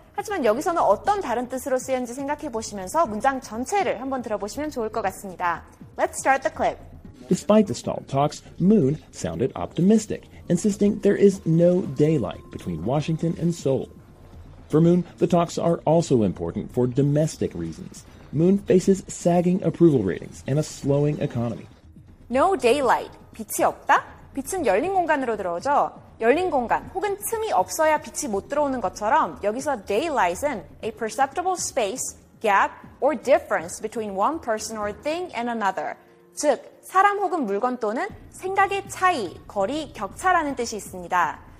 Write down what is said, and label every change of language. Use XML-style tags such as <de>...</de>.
<ko>하지만 여기서는 어떤 다른 뜻으로 쓰였는지 생각해 보시면서 문장 전체를 한번 들어보시면 좋을 것 같습니다.</ko> <en>Let's start the clip. Despite the stalled talks, Moon sounded optimistic, insisting there is no daylight between Washington and Seoul. For Moon, the talks are also important for domestic reasons. Moon faces sagging approval ratings and a slowing economy. No daylight,</en> <ko>빛이 없다? 빛은 열린 공간으로 들어오죠. 열린 공간 혹은 틈이 없어야 빛이 못 들어오는 것처럼 여기서 daylight은</ko> <en>a perceptible space, gap, or difference between one person or thing and another.</en> <ko>즉, 사람 혹은 물건 또는 생각의 차이, 거리, 격차라는 뜻이 있습니다.</ko>